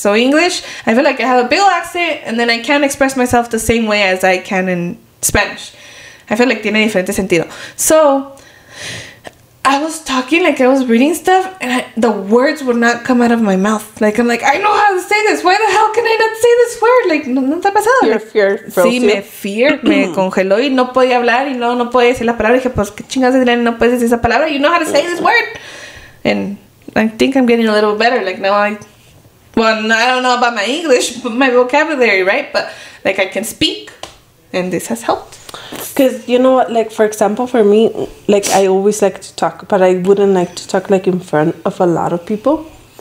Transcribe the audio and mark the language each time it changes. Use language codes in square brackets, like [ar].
[en] So English, I feel like I have a big accent, and then I can't express myself the same way as I can in Spanish. I feel like [es] tiene diferente sentido. [en] So I was talking, like, I was reading stuff, and the words would not come out of my mouth. Like, I'm like, I know how to say this. Why the hell can I not say this word? [es] Like, no está pasado. [en] Your fear froze. [es] Sí, me fear, me congeló, y no podía hablar, y luego no podía decir la palabra. Y dije, pues, ¿qué chingas de no puedes decir esa palabra? [en] You know how to say this word. And I think I'm getting a little better. Like, now I, well, I don't know about my English, but my vocabulary, right? But, like, I can speak, and this has helped. Because, you know what, like, for example, for me, like, I always like to talk, but I wouldn't like to talk, like, in front of a lot of people.